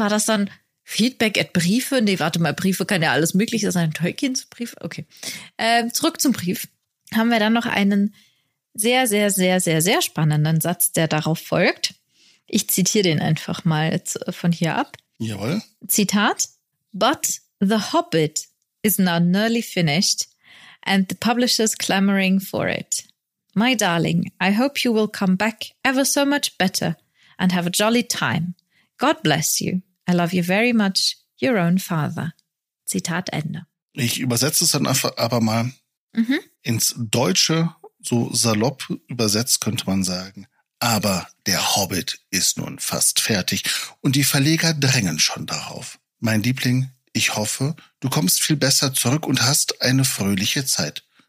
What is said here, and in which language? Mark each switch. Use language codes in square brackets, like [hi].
[de] War das dann feedback@briefe? Nee, warte mal, Briefe kann ja alles mögliche sein. Tolkiens Brief? Okay. Zurück zum Brief. Haben wir dann noch einen sehr, sehr, sehr, sehr, sehr spannenden Satz, der darauf folgt. Ich zitiere den einfach mal von hier ab. Jawohl. [en] Zitat: But the Hobbit is now nearly finished and the publishers clamoring for it. My darling, I hope you will come back ever so much better and have a jolly time. God bless you. I love you very much, your own father. [de] Zitat Ende. Ich übersetze es dann aber mal ins Deutsche, so salopp übersetzt könnte man sagen. Aber der Hobbit ist nun fast fertig und die Verleger drängen schon darauf. Mein Liebling, ich hoffe, du kommst viel besser zurück und hast eine fröhliche Zeit.